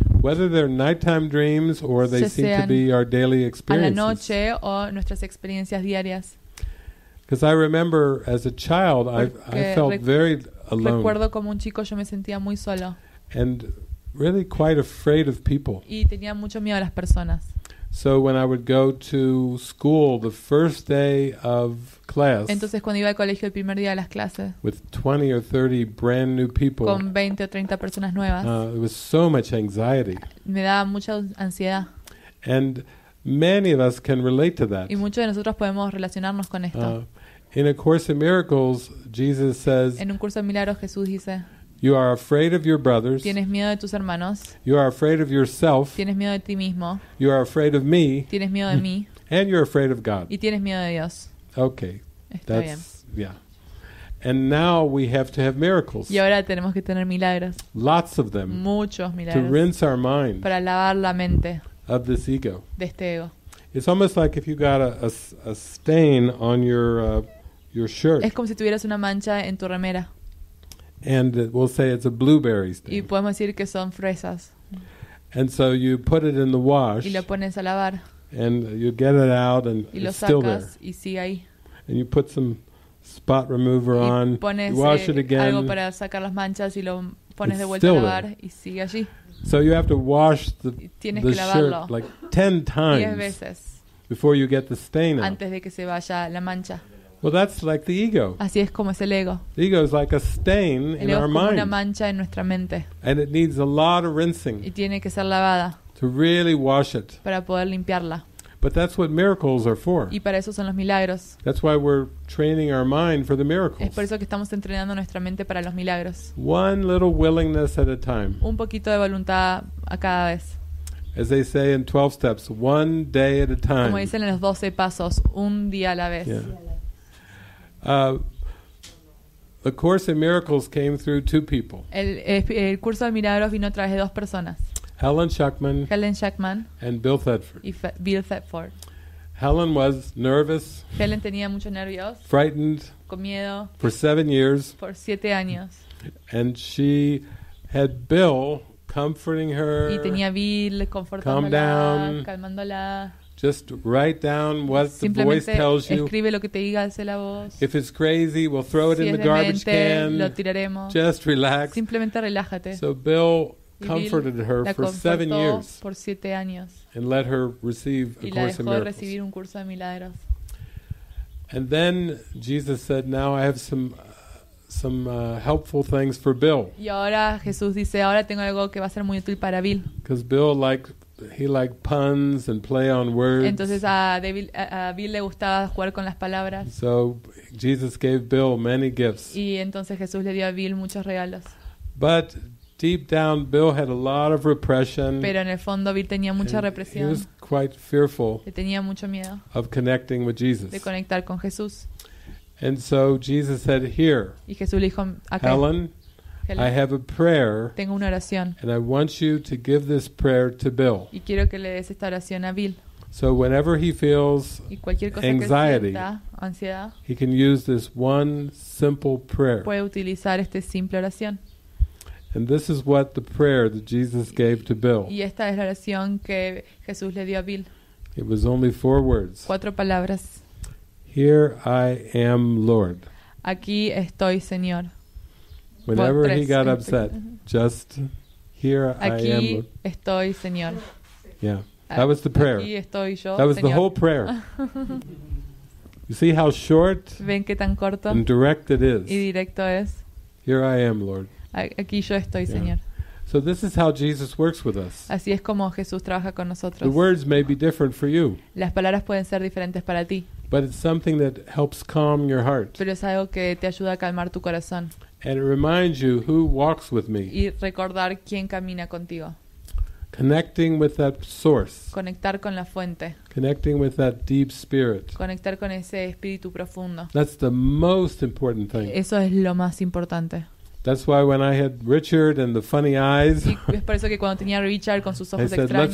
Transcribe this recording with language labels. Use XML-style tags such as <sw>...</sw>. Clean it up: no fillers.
<en>whether they're nighttime dreams or they seem to be our daily experiences,</en> <es>a la noche o nuestras experiencias diarias.</es> <en>Because I remember as a child, I felt very alone.</en> <es>Recuerdo como un chico yo me sentía muy solo.</es> <en>And really quite afraid of people.</en> <es>Y tenía mucho miedo a las personas.</es> <en>So when I would go to school the first day of class.</en> <es>Entonces cuando iba al colegio el primer día de las clases.</es> <en>With 20 or 30 brand new people.</en> <es>Con 20 o 30 personas nuevas.</es> <en>It was so much anxiety.</en> <es>Me daba mucha ansiedad.</es> <en>And many of us can relate to that.</en> <es>Y muchos de nosotros podemos relacionarnos con esto.</es> <en>In A Course in Miracles, Jesus says,</en> <es>en un curso de milagros, Jesús dice,</es> <en>you are afraid of your brothers.</en> <es>Tienes miedo de tus hermanos.</es> <en>You are afraid of yourself.</en> <es>Tienes miedo de ti mismo.</es> <en>You are afraid of me.</en> <es>Tienes miedo de mí.</es> <en>And you're afraid of God.</en> <es>Y tienes miedo de Dios.</es> <en>Okay.</en> <es>Está</es> <en>that's,</en> <es>bien.</es> <en>Yeah. And now we have to have miracles.</en> <es>Y ahora tenemos que tener milagros.</es> <en>Lots of them.</en> <es>Muchos milagros.</es> <en>To rinse our mind.</en> <es>Para lavar la mente.</es> <en>Of this ego.</en> <es>De este ego.</es> <en>It's almost like if you got a stain on your shirt.</en> <es>Es como si tuvieras una mancha en tu remera.</es> <en>And we'll say it's a blueberry stain.</en> <es>Y podemos decir que son fresas.</es> <en>And so you put it in the wash.</en> <es>Y lo pones a lavar.</es> <en>And you get it out and</en> <es>y lo</es> <en>it's still</en> <es>sacas</es> <en>there.</en> <es>Y sigue ahí.</es> <en>And you put some spot remover</en> <es>y</es> <en>on.</en> <es>Y pones</es> <en>you wash it again,</en> <es>algo para sacar las manchas y lo pones de vuelta a lavar</es> <en>there.</en> <es>Y sigue allí.</es> <en>So you have to wash the shirt like 10 times before you get the stain out.</en> <es>Antes de que se vaya la mancha.</es> <en>Well, that's like the ego.</en> <es>Así es como es el ego.</es> <en>The ego is like a stain in our mind.</en> <es>Una mancha en nuestra mente.</es> <en>And it needs a lot of rinsing.</en> <es>Y tiene que ser lavada.</es> <en>To really wash it.</en> <es>Para poder limpiarla.</es> <en>But that's what miracles are for.</en> <es>Y para eso son los milagros.</es> <en>That's why we're training our mind for the miracles.</en> <es>Es por eso que estamos entrenando nuestra mente para los milagros.</es> <en>One little willingness at a time.</en> <es>Un poquito de voluntad a cada vez.</es> <en>As they say in 12 steps, one day at a time.</en> <es>Como dicen en los 12 pasos, un día a la vez.</es> <en>Yeah. A Course in Miracles came through two people.</en> <es>El curso de milagros vino a través de dos personas.</es> <en>Helen Schuckman and Bill Thetford.</en> <es>Bill Thetford.</es> <en>Helen was nervous.</en> <es>Helen tenía muchos nervios.</es> <en>Frightened.</en> <es>Con miedo.</es> <en>For 7 years.</en> <es>Por 7 años.</es> <en>And she had Bill comforting her.</en> <es>Y tenía Bill confortándola.</es> <en>Calm down.</en> <es>Calmándola.</es> <en>Just write down what the voice tells you.</en> <es>Escribe lo que te diga, hace la voz.</es> <en>If it's crazy, we'll throw it</en> <es>si</es> <en>in the garbage can.</en> <es>Lo tiraremos.</es> <en>Just relax.</en> <es>Simplemente relájate.</es> <en>So Bill comforted her for 7 years</en> <es>por 7 años</es> <en>and let her receive a course in miracles.</en> <es>Recibir un curso de milagros.</es> <en>And then Jesus said, now I have some some helpful things for Bill.</en> <es>Y ahora Jesús dice, ahora tengo algo que va a ser muy útil para Bill.</es> <en>Because Bill liked puns and play on words.</en> <es>Entonces a Bill le gustaba jugar con las palabras.</es> <en>So Jesus gave Bill many gifts.</en> <es>Y entonces Jesús le dio a Bill muchos regalos.</es> <en>But deep down, Bill had a lot of repression.</en> <es>Pero en el fondo Bill tenía mucha represión.</es> <en>He was quite fearful.</en> <es>Le tenía mucho miedo.</es> <en>Of connecting with Jesus.</en> <es>De conectar con Jesús.</es> <en>And so Jesus said, "Here."</en> <es>Y Jesús le dijo, acá,</es> <en>Helen, I have a prayer.</en> <es>Tengo una oración.</es> <en>And I want you to give this prayer to Bill.</en> <es>Y quiero que le des esta oración a Bill.</es> <en>So whenever he feels</en> <es>y cualquier cosa</es> <en>anxiety,</en> <es>que sienta, ansiedad,</es> <en>he can use this one simple prayer.</en> <es>Puede utilizar esta simple oración.</es> <en>And this is what the prayer that Jesus gave to Bill.</en> <es>Y esta es la oración que Jesús le dio a Bill.</es> <en>It was only four words.</en> <es>Cuatro palabras.</es> <en>Here I am, Lord.</en> <es>Aquí estoy, Señor.</es> <en>Whenever he got upset, just here</en> <es>aquí</es> <en>I am.</en> <es>Aquí estoy, Señor.</es> <en>Yeah, that was the prayer.</en> <es>Aquí estoy yo,</es> <en>that was</en> <es>Señor.</es> <en>The whole prayer. You see how short</en> <es>ven que tan corto</es> <en>and direct it is.</en> <es>Y directo es.</es> <en>Here I am, Lord.</en> <es>Aquí yo estoy, yeah. Señor.</es> <en>So this is how Jesus works with us.</en> <es>Así es como Jesús trabaja con nosotros.</es> <en>The words may be different for you.</en> <es>Las palabras pueden ser diferentes para ti.</es> <en>But it's something that helps calm your heart.</en> <es>Pero es algo que te ayuda a calmar tu corazón.</es> <en>And it reminds you who walks with me.</en> <es>Y recordar quién camina contigo.</es> <en>Connecting with that source.</en> <es>Conectar con la fuente.</es> <en>Connecting with that deep spirit.</en> <es>Conectar con ese espíritu profundo.</es> <en>That's the most important thing.</en> <es>Eso es lo más importante.</es> <en>That's why when I had Richard and the funny eyes.</en> <es>Es por eso que cuando tenía Richard con sus ojos extraños.</es>